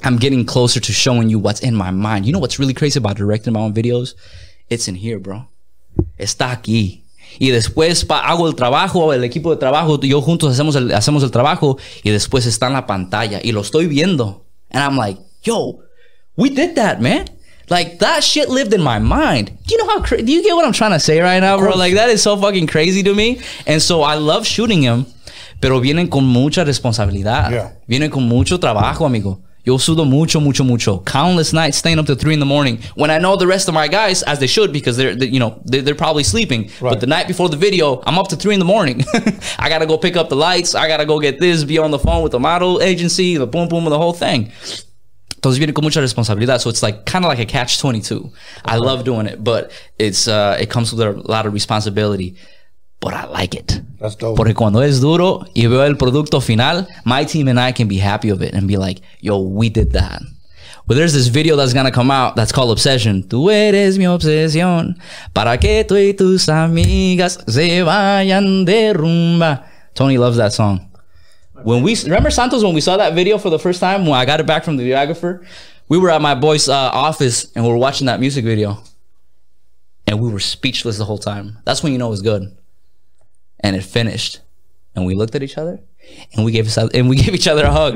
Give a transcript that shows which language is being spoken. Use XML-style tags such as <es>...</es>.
<en>I'm getting closer to showing you what's in my mind. You know what's really crazy about directing my own videos? It's in here, bro.</en> <es>Está aquí. Y después hago el trabajo, el equipo de trabajo, yo juntos hacemos el trabajo, y después está en la pantalla, y lo estoy viendo.</es> <en>And I'm like, yo, we did that, man. Like, that shit lived in my mind. Do you know how crazy, do you get what I'm trying to say right now, bro? Like, that is so fucking crazy to me. And so I love shooting him.</en> <es>Pero vienen con mucha responsabilidad.</es> <en>Yeah.</en> <es>Vienen con mucho trabajo, amigo. Yo sudo mucho, mucho, mucho.</es> <en>Countless nights staying up to 3 a.m. when I know the rest of my guys, as they should, because they're probably sleeping. Right. But the night before the video, I'm up to 3 a.m. I gotta go pick up the lights. I gotta go get this, be on the phone with the model agency, the boom, boom, the whole thing.</en> <es>Entonces viene con mucha responsabilidad.</es> <en>So it's like kind of like a catch 22. Okay. I love doing it, but it comes with a lot of responsibility. But I like it. That's dope.</en> <es>Porque cuando es duro y veo el producto final,</es> <en>my team and I can be happy of it and be like, yo, we did that. Well, there's this video that's going to come out that's called Obsession.</en> <es>Tú eres mi obsesión. Para que tú y tus amigas se vayan de rumba.</es> <en>Tony loves that song. Remember Santos, when we saw that video for the first time, when I got it back from the videographer, we were at my boy's office and we were watching that music video. And we were speechless the whole time. That's when you know it's good. And it finished, and we looked at each other, and we gave each other a hug.</en>